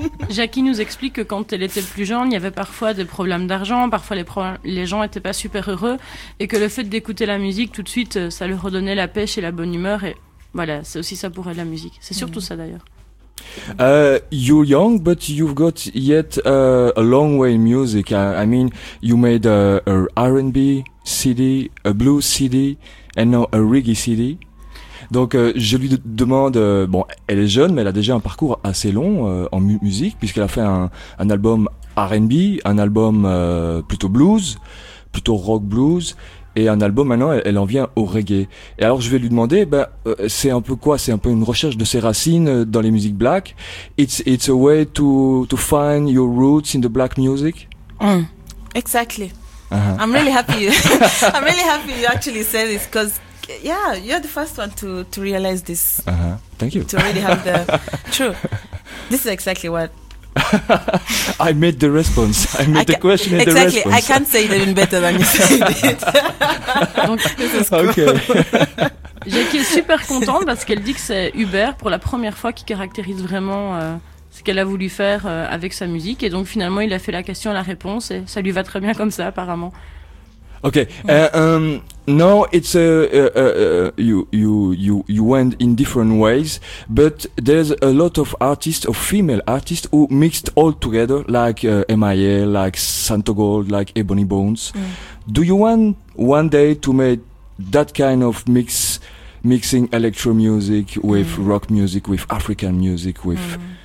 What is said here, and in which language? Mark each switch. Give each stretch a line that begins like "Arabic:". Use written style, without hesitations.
French: Jackie nous explique que quand elle était plus jeune, il y avait parfois des problèmes d'argent, parfois les gens n'étaient pas super heureux, et que le fait d'écouter la musique tout de suite, ça leur redonnait la pêche et la bonne humeur, et voilà, c'est aussi ça pour elle la musique. C'est surtout ça d'ailleurs.
English: You're young, but you've got yet a long way in music. I mean, you made a R&B CD, a blues CD, and now a reggae CD.
French: Donc, je lui demande, bon, elle est jeune, mais elle a déjà un parcours assez long en musique, puisqu'elle a fait un album R&B, un album plutôt blues, plutôt rock blues, et un album, maintenant, elle en vient au reggae. Et alors, je vais lui demander, c'est un peu quoi? C'est un peu une recherche de ses racines dans les musiques black.
English: It's a way to find your roots in the black music? Exactly. Uh-huh. I'm really happy. I'm really happy you actually say this, because yeah, you're the first one to realize this. Uh-huh. Thank you. To really have the true. This is exactly what I made the response. I made the question exactly, and the response. Exactly. I can't say it even better than you said it. Donc, this is cool. Okay.
French: Jackie est super contente parce qu'elle dit que c'est Hubert pour la première fois qui caractérise vraiment ce qu'elle a voulu faire avec sa musique, et donc finalement il a fait la question la réponse et ça lui va très bien comme ça apparemment.
English: Okay. Now it's you went in different ways, but there's a lot of artists, of female artists, who mixed all together, like M.I.A., like Santo Gold, like Ebony Bones. Mm. Do you want one day to make that kind of mixing electro music with rock music, with African music, with?